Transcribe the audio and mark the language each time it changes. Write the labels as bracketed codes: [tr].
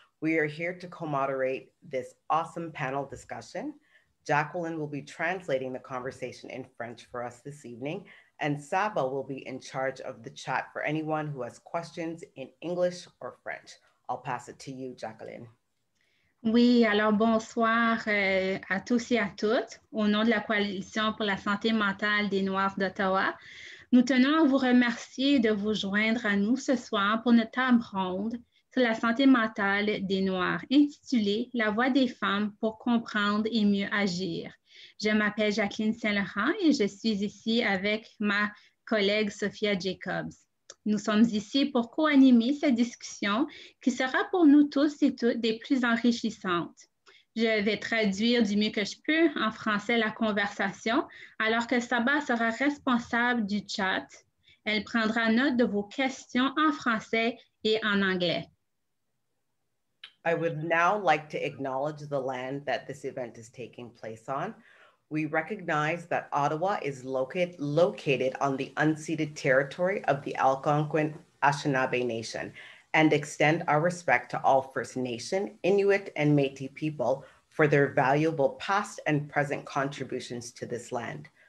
[en] We are here to co-moderate this awesome panel discussion. Jacqueline will be translating the conversation in French for us this evening, and Saba will be in charge of the chat for anyone who has questions in English or French. I'll pass it to you, Jacqueline. [fr] Oui, alors bonsoir à tous et à toutes. Au nom de la Coalition pour la santé mentale des Noirs d'Ottawa, nous tenons à vous remercier de vous joindre à nous ce soir pour notre table ronde sur la santé mentale des Noirs, intitulée « La voix des femmes pour comprendre et mieux agir ». Je m'appelle Jacklyn St et je suis ici avec ma collègue Sophia Jacobs. Nous sommes ici pour co-animer cette discussion qui sera pour nous tous et toutes des plus enrichissantes. Je vais traduire du mieux que je peux en français la conversation, alors que Saba sera responsable du chat. Elle prendra note de vos questions en français et en anglais. [en] I would now like to acknowledge the land that this event is taking place on. We recognize that Ottawa is located on the unceded territory of the Algonquin Anishinaabe Nation and extend our respect to all First Nation, Inuit, and Métis people for their valuable past and present contributions to this land.